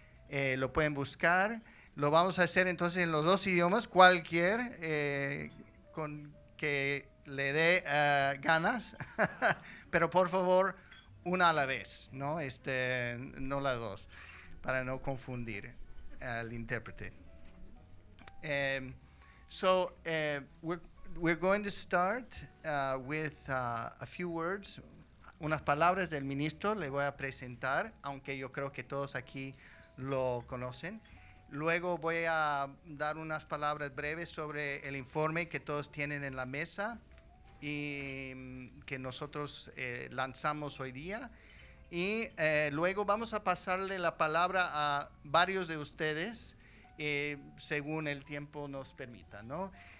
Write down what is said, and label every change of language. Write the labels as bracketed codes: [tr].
[es] Lo pueden buscar. Lo vamos a hacer entonces en los dos idiomas, cualquier con que le dé ganas. Pero por favor, una a la vez, ¿no? No las dos, para no confundir al intérprete. [en] We're going to start with a few words, [es] unas palabras del ministro. Le voy a presentar, aunque yo creo que todos aquí lo conocen. Luego voy a dar unas palabras breves sobre el informe que todos tienen en la mesa y que nosotros lanzamos hoy día. Y luego vamos a pasarle la palabra a varios de ustedes según el tiempo nos permita, ¿no?